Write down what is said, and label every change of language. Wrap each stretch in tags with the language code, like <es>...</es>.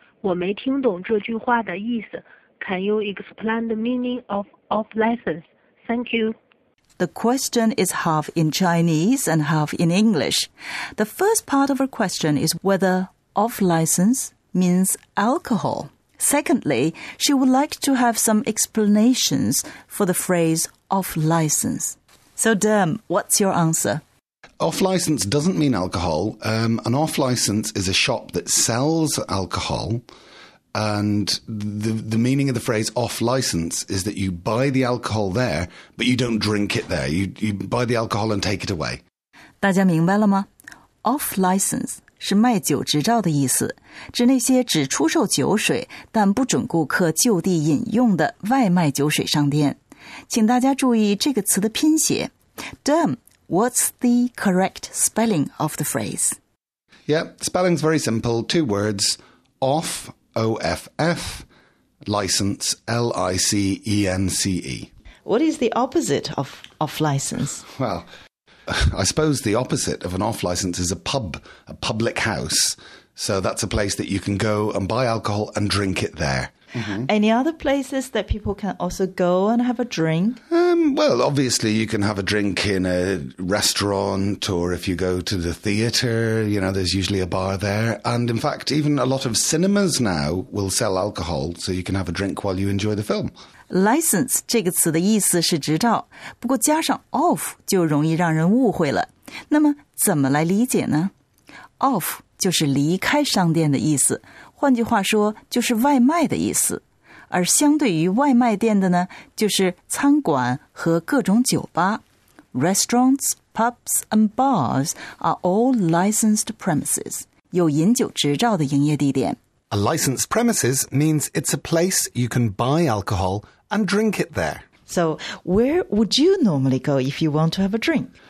<zh>我没听懂这句话的意思。</zh> <en>Can you explain the meaning of off-license? Thank you. The question is half in Chinese and half in English. The first part of her question is whether off-license means alcohol. Secondly, she would like to have some explanations for the phrase off-license. So, Derm, what's your answer? Off-license doesn't mean alcohol. An off-license is a shop that sells alcohol. And the meaning of the phrase off-license is that you buy the alcohol there, but you don't drink it there. You buy the alcohol and take it away.</en> <zh>大家明白了吗?Off-license 是卖酒执照的意思，指那些只出售酒水但不准顾客就地饮用的外卖酒水商店。请大家注意这个词的拼写。</zh> <en>Derm, what's the correct spelling of the phrase? Yeah, spelling's very simple. Two words, off, O-F-F, license, L-I-C-E-N-C-E. What is the opposite of off-license? Well, I suppose the opposite of an off-license is a pub, a public house. So that's a place that you can go and buy alcohol and drink it there. Mm-hmm. Any other places that people can also go and have a drink? Well, obviously, you can have a drink in a restaurant or if you go to the theatre, you know, there's usually a bar there. And in fact, even a lot of cinemas now will sell alcohol, so you can have a drink while you enjoy the film.</en> <zh>License 这个词的意思是执照，不过加上 off 就容易让人误会了。那么怎么来理解呢？Off 就是离开商店的意思。换句话说就是外卖的意思，而相对于外卖店的呢，就是餐馆和各种酒吧。</zh> <en>Restaurants, pubs and bars are all licensed premises,</en> <zh>有饮酒执照的营业地点。</zh> <en>A licensed premises means it's a place you can buy alcohol and drink it there. So where would you normally go if you want to have a drink?</en>